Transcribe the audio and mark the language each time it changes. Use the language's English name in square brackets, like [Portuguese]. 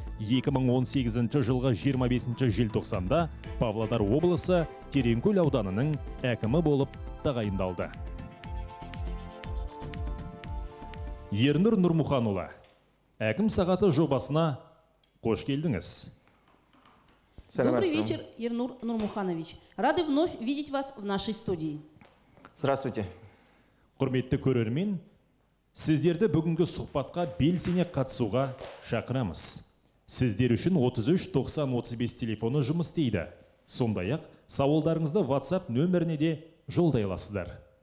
[Kazakh] 2018 жылғы 25 желтоқсанда Павлодар облысы Тереңкөл ауданының әкімі болып тағайындалды. Ернұр Нұрмұханұлы, әкім сағаты жобасына қош келдіңіз. [Russian] Добрый вечер, Ернур Нурмуханович. Рады вновь видеть вас в нашей студии. Здравствуйте. [Kazakh] Құрметті көрермен, сіздерді бүгінгі сұхбатқа белсене қатысуға шақырамыз. Сіздер үшін 33 90 35 телефоны жұмыс істейді. Сондай-ақ, сауалдарыңызды WhatsApp нөміріне де жолдай аласыздар.